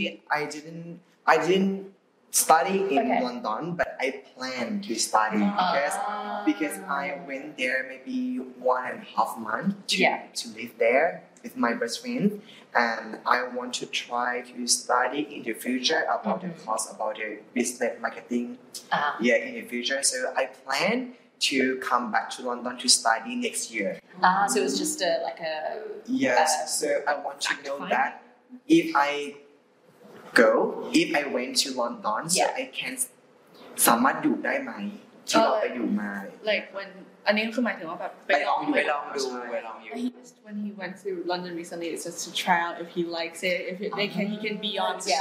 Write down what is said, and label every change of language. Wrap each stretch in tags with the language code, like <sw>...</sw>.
<en>I didn't study in London, but I planned to study because I went there maybe 1.5 months to live there with my best friend, and I want to try to study in the future about the course about the business marketing in the future. So I plan to come back to London to study next year. So it was just like a... Yes, so I want to know that if I went to London, so I can...</en> <th>สามารถอยู่ได้ไหมที่เราไปอยู่มา</th> <en>like when</en> <th>อันนี้คือหมายถึงว่าแบบไปลอง อยู่ไปลองดูไปลองอยู่</th> <en>just when he went to London recently it's just to try out if he likes it if they can he can be on</en>